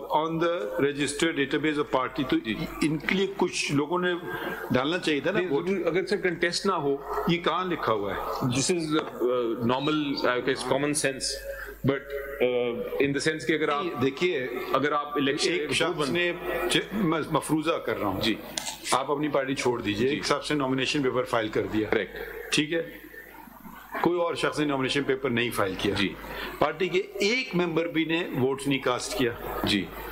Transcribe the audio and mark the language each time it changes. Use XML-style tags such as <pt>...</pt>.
<en>On the registered database of party.</en> <ur>تو ان کے لیے کچھ لوگوں نے ڈالنا چاہیے تھا نا. اگر سر کنٹیسٹ نہ ہو, یہ کہاں لکھا ہوا ہے؟</ur> <en>this is normal common sense, but in the sense</en> <ur>کہ اگر آپ دیکھیے, اگر آپ الیکشن مفروضہ کر رہا ہوں جی, آپ اپنی پارٹی چھوڑ دیجیے, ایک شخص نے نامنیشن پیپر فائل کر دیا,</ur> <en>correct,</en> <ur>ٹھیک ہے, کوئی اور شخص نے نامنیشن پیپر نہیں فائل کیا جی, پارٹی کے ایک ممبر بھی نے ووٹ نہیں کاسٹ کیا جی,</ur>